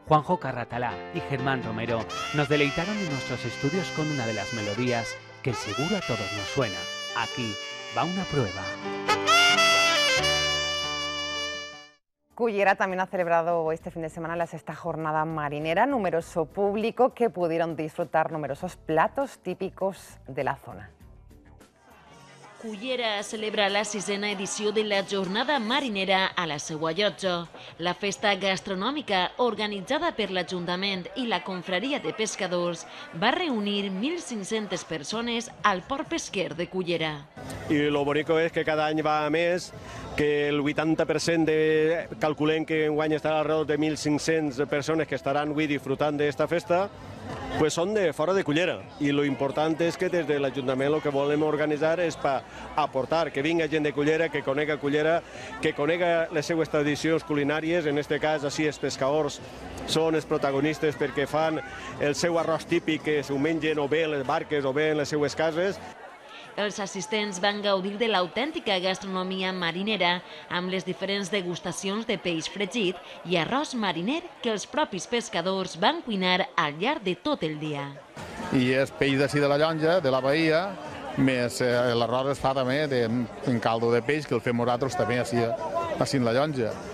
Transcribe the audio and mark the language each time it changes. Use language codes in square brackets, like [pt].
[es] Juanjo Carratalá y Germán Romero nos deleitaron en nuestros estudios con una de las melodías que seguro a todos nos suena. Aquí va una prueba. Cullera también ha celebrado este fin de semana la sexta jornada marinera. Numeroso público que pudieron disfrutar numerosos platos típicos de la zona. [ca] Cullera celebra la sisena edició de la Jornada Marinera a la Seua Llotja. La festa gastronòmica organitzada per l'Ajuntament i la Confraria de Pescadors va reunir 1.500 persones al port pesquer de Cullera. [es] Y lo bonito es que [ca] cada any va a més, que el 80% de calculem que enguany estarà alrededor de 1.500 persones que estaran avui disfrutant d'esta festa. [es] Pues son de fuera de Cullera y lo importante es que desde el ayuntamiento lo que volvemos a organizar es para aportar que venga gente de Cullera, [ca] que conega les seues [es] tradiciones culinarias, en este caso así es pescadores son los protagonistas porque [ca] fan el seu arroz típico que se mengen o bé en les barques o bé en les seues cases. Els assistents van gaudir de l'autèntica gastronomia marinera amb les diferents degustacions de peix fregit i arròs mariner que els propis pescadors van cuinar al llarg de tot el dia. I és peix d'ací de la llonja, de la bahia, més l'arròs es fa també en caldo de peix, que el fem nosaltres també ací de la llonja.